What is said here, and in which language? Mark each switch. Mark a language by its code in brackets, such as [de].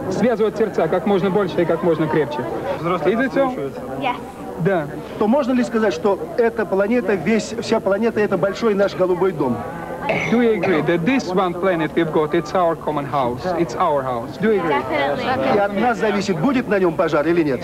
[ru] Связывать сердца как можно больше и как можно крепче. Взрослые все? [en] Yes. [ru] Да. То можно ли сказать, что эта планета, весь вся планета это большой наш голубой дом? [en] Do you agree that this one planet we've got, it's our common house, it's our house? Do you agree? Definitely. [ru] И от нас зависит, будет на нем пожар или нет?